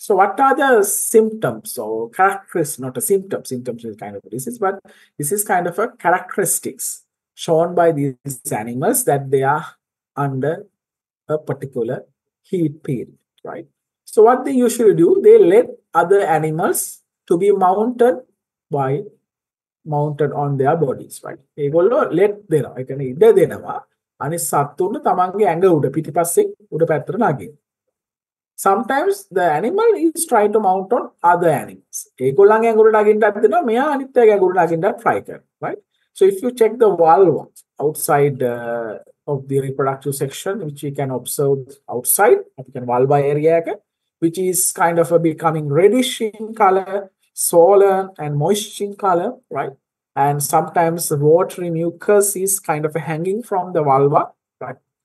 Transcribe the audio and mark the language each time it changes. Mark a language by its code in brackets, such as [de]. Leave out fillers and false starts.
[en] So what are the symptoms or characteristics, not a symptom, symptoms is kind of a disease, but this is kind of a characteristics shown by these animals that they are under a particular heat period, right? So what they usually do, they let other animals to be mounted by mounted on their bodies, right? [si] ඒගොල්ලෝ let දෙනවා. ඒ කියන්නේ ඉඩ දෙනවා. අනිත් සත්තුන් තමන්ගේ ඇඟ උඩ පිටිපස්සෙන් උඩ පැත්තට නගින. [en] Sometimes the animal is trying to mount on other animals. [si] ඒගොල්ලන්ගේ ඇඟ උඩ නගින්නත් දෙනවා. මෙයා අනිත් අයගේ ඇඟ උඩ නගින්නත් try කරන, right? [en] So if you check the vulva outside of the reproductive section, which you can observe outside, you can vulva area එක, which is kind of a becoming reddish in color, swollen and moist in color, right? And sometimes the watery mucus is kind of hanging from the vulva, right?